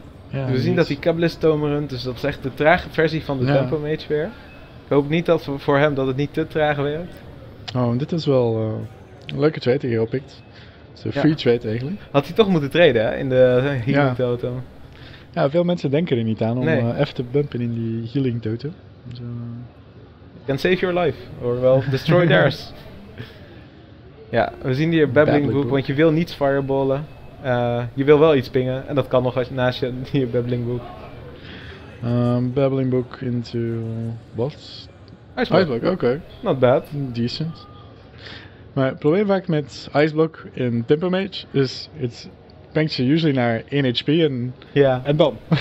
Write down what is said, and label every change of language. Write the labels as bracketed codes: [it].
[nl] We zien dat hij Kabbalist Tome runt, dus dat is echt de trage versie van de Tempo Mage weer. Ik hoop niet dat voor hem dat het niet te traag werkt. Oh, dit is wel een leuke trade die je oppikt. Het is een free trade eigenlijk. Had hij toch moeten traden, hè, in de healing totem. Ja, veel mensen denken er niet aan om even te bumpen in die healing totem. [en] You can save your life, or well, destroy theirs. [nl] Ja, we zien hier Babbling Book, want je wil niets fireballen. Je wil wel iets pingen, en dat kan nog als naast je hier Babbling Book. [en] Babbling Book into... what? Iceblock, oké. Okay. Not bad. Decent. [nl] Maar het probleem vaak met Iceblock in Tempo Mage is, het pengt je [en] usually [nl] naar 1 HP en dan.